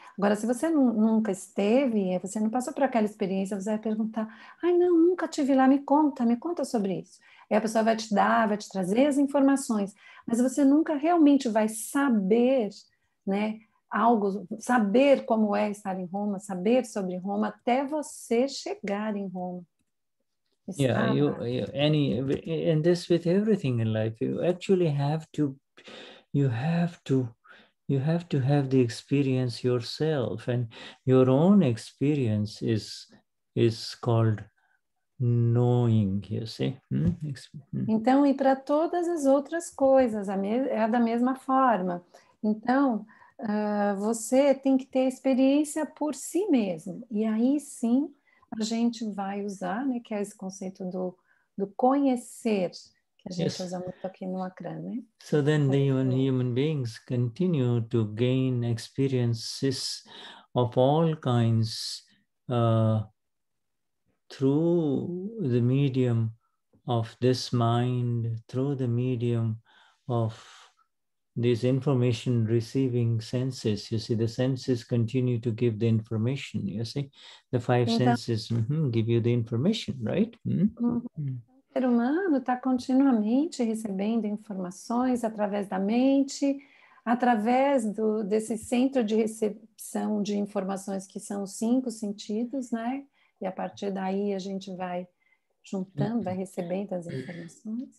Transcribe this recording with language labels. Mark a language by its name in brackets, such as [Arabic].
[Portuguese] Agora, se você nunca esteve, você não passou por aquela experiência, você vai perguntar, ai, não, nunca estive lá, me conta sobre isso. E a pessoa vai te trazer as informações, mas você nunca realmente vai saber, né, algo, saber como é estar em Roma, saber sobre Roma, até você chegar em Roma. [English] Yeah, and this with everything in life, you actually have to, you have to have the experience yourself, and your own experience is called knowing, you see? [Portuguese] Então, e para todas as outras coisas, é da mesma forma. Então, você tem que ter experiência por si mesmo, e aí sim, a gente vai usar, né, que é esse conceito do conhecer, que a gente usa muito aqui no Akram, né? [English] So then the human beings continue to gain experiences of all kinds through the medium of this mind, through the medium of these information receiving senses, you see, the senses continue to give the information, you see, the five senses give you the information, right? [Portuguese] O ser humano está continuamente recebendo informações através da mente, através desse centro de recepção de informações que são os cinco sentidos, né? E a partir daí a gente vai juntando, vai recebendo as informações.